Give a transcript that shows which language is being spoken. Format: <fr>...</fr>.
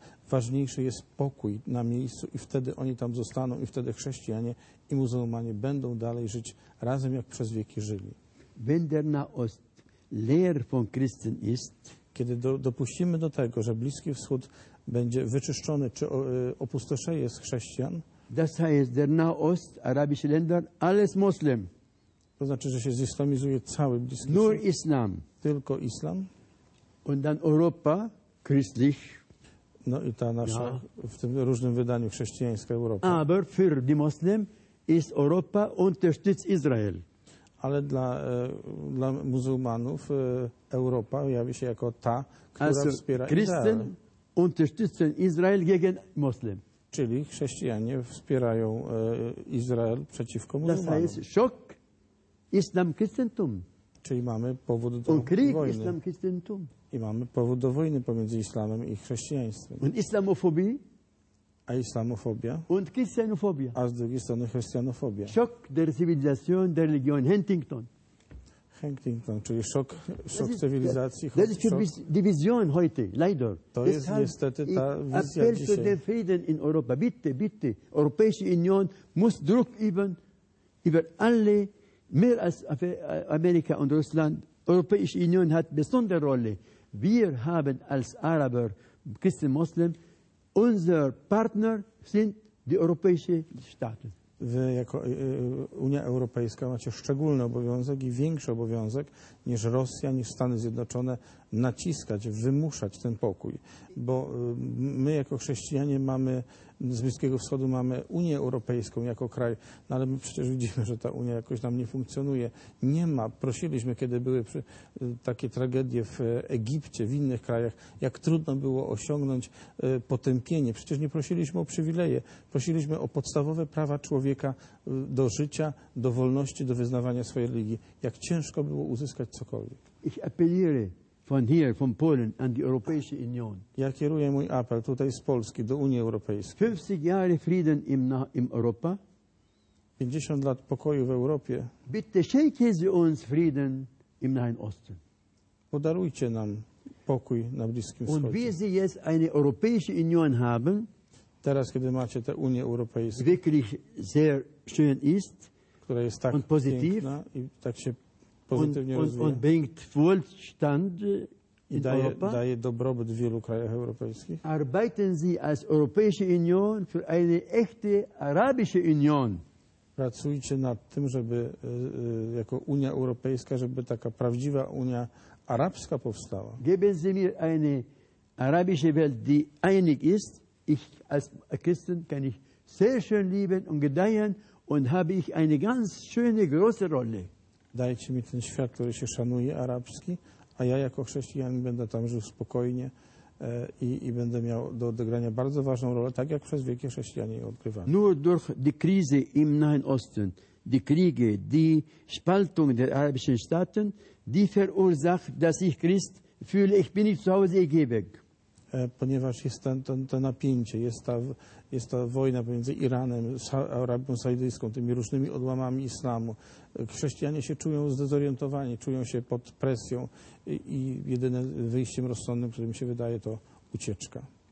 <pl>Ważniejszy jest pokój na miejscu i wtedy oni tam zostaną i wtedy chrześcijanie i muzułmanie będą dalej żyć razem, jak przez wieki żyli.</pl> <de>Wenn der Nahost leer von Christen ist,</de> <pl>kiedy dopuścimy do tego, że Bliski Wschód będzie wyczyszczony, czy opustoszeje z chrześcijan.</pl> <de>Das heißt, der Nahost, arabische Länder, alles Muslim.</de> <pl>To znaczy, że się zislamizuje cały Bliski Wschód.</pl> <de>Nur Islam.</de> <pl>Tylko Islam.</pl> <de>Und dann Europa, christlich.</de> <pl>No i ta nasza, w tym różnym wydaniu, chrześcijańska Europa.</pl> <de>Aber für die Muslim ist Europa unterstützt Israel.</de> <pl>Ale dla muzułmanów Europa jawi się jako ta, która wspiera Izrael.</pl> <de>Unterstützen Israel gegen Muslim.</de> <pl>czyli chrześcijanie wspierają Izrael przeciwko muzułmanom.</pl> <de>Das heißt, Schock, Islam, Christentum.</de> <pl>Czyli mamy powód do</pl> <de>Und Krieg,</de> <pl>wojny.</pl> <de>Islam, Christentum.</de> <pl>I mamy powód do wojny pomiędzy islamem i chrześcijaństwem.</pl> <de>Und Islamophobie.</de> <pl>A islamofobia.</pl> <de>Und Christianophobia.</de> <pl>A z drugiej strony chrześcijanofobia.</pl> <de>Schock der Zivilisation, der Religion, Huntington.</de> <pl>Huntington, czyli szok cywilizacji.</pl> <en>That is your division</en> <de>heute, leider.</de> <pl>To jest niestety ta wizja dzisiaj.</pl> <de>Appell zu dem Frieden in Europa. Bitte, bitte. Europäische Union muss Druck üben über alle, mehr als Amerika und Russland. Europäische Union hat besondere Rolle. Wir haben als Araber, Christen, Muslim, unser Partner sind die europäische Staaten.</de> <pl>Wy jako Unia Europejska macie szczególny obowiązek i większy obowiązek niż Rosja, niż Stany Zjednoczone naciskać, wymuszać ten pokój. Bo my jako chrześcijanie mamy, z Bliskiego Wschodu mamy Unię Europejską jako kraj, no ale my przecież widzimy, że ta Unia jakoś nam nie funkcjonuje. Nie ma. Prosiliśmy, kiedy były takie tragedie w Egipcie, w innych krajach, jak trudno było osiągnąć potępienie. Przecież nie prosiliśmy o przywileje. Prosiliśmy o podstawowe prawa człowieka do życia, do wolności, do wyznawania swojej religii. Jak ciężko było uzyskać cokolwiek.</pl> <de>Ich appelliere von hier, von Polen an die Europäische Union.</de> <pl>Ja kieruję mój apel tutaj z Polski do Unii Europejskiej.</pl> <de>50 Jahre Frieden im Europa.</de> <pl>50 lat pokoju w Europie.</pl> <de>Bitte schenke sie uns Frieden im Nahen Osten.</de> <pl>Podarujcie nam pokój na Bliskim</pl> <de>Und</de> <pl>Wschodzie.</pl> <de>Und wie sie jetzt eine Europäische Union haben,</de> <pl>teraz, kiedy macie tę Unię Europejską,</pl> <de>wirklich sehr schön ist,</de> <pl>która jest tak</pl> <de>und positiv,</de> <pl>piękna i tak się pozytywnie</pl> <de>und bringt Wohlstand</de> <pl>i daje dobrobyt w wielu krajach europejskich.</pl> <de>Arbeiten Sie als Europäische Union für eine echte arabische Union.</de> <pl>Pracujcie nad tym, żeby jako Unia Europejska, żeby taka prawdziwa Unia Arabska powstała.</pl> <de>Geben Sie mir eine arabische Welt, die einig ist. Ich als Christen kann ich sehr schön lieben und gedeihen und habe ich eine ganz schöne große Rolle.</de> <pl>Dajcie mi ten świat, który się szanuje, arabski, a ja jako chrześcijanin będę tam żył spokojnie i będę miał do odegrania bardzo ważną rolę, tak jak przez wieki chrześcijanie odgrywali.</pl> <de>Nur durch die Krise im Nahen Osten, die Kriege, die Spaltung der arabischen Staaten, die verursacht, dass ich Christ fühle, ich bin nicht zu Hause, ich gehe weg.</de> <pl>Ponieważ jest to napięcie, jest ta wojna pomiędzy Iranem, Arabią Saudyjską, tymi różnymi odłamami islamu. Chrześcijanie się czują zdezorientowani, czują się pod presją i jedynym wyjściem rozsądnym, którym się wydaje, to ucieczka.</pl>